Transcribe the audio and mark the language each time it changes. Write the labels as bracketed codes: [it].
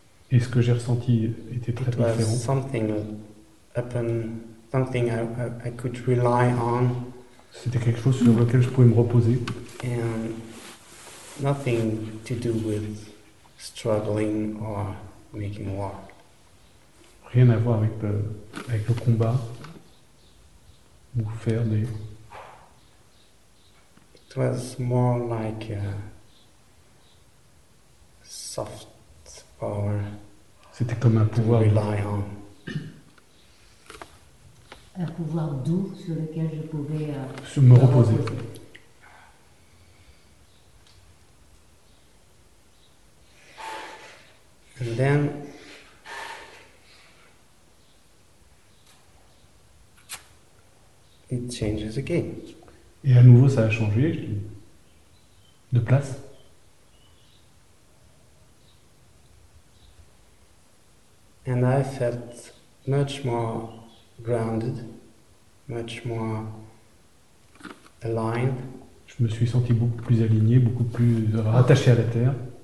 [fr] Et ce que j'ai ressenti était très différent. [en] It was something upon something I could rely on. [fr] C'était quelque chose sur lequel je pouvais me reposer. [en] And nothing to do with struggling or making war. [fr] Rien à voir avec le combat ou faire des. [en] It was more like a soft power. [fr] C'était comme un pouvoir. [en] To rely on. [fr] Un pouvoir doux sur lequel je pouvais me reposer. [en] And then it changes again. [fr] Et à nouveau, ça a changé de place. [en] And I felt much more grounded, much more aligned. [fr] Je me suis senti beaucoup plus aligné, beaucoup plus rattaché à la terre.